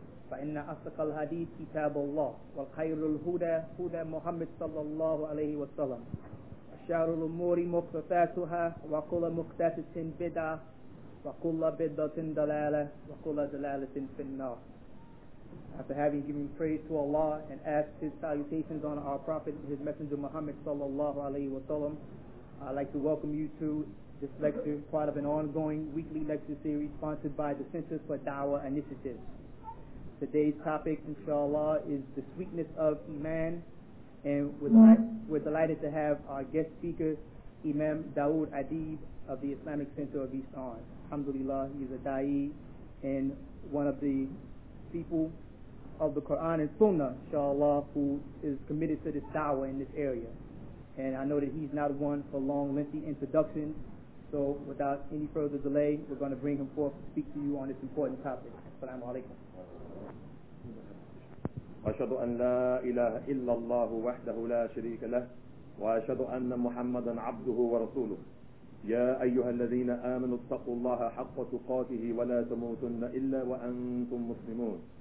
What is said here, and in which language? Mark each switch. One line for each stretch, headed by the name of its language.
Arabic: فإن أصدق الحديث كتاب الله والخير الهدى هدى محمد صلى الله عليه وسلم شر الأمور محدثاتها وكل محدثة بدعة وكل بدعة ضلالة وكل ضلالة في النار.
English: After having given praise to Allah and asked His salutations on our Prophet and His Messenger Muhammad sallallahu alaihi wasallam, I'd like to welcome you to this lecture, part of an ongoing weekly lecture series sponsored by the Center for Dawah Initiative. Today's topic, inshallah, is the sweetness of Iman. And we're delighted to have our guest speaker, Imam Dawood Adib of the Islamic Center of East Orange. Alhamdulillah, he's a da'i and one of the people of the Quran and Sunnah, inshallah, who is committed to this da'wah in this area. And I know that he's not one for long, lengthy introductions, so without any further delay, we're going to bring him forth to speak to you on this important topic. Assalamu alaikum.
Arabic: وأشهد أن لا إله إلا الله وحده لا شريك له وأشهد أن محمدا عبده ورسوله يا أيها الذين آمنوا اتقوا الله حق تقاته ولا تموتن إلا وأنتم مسلمون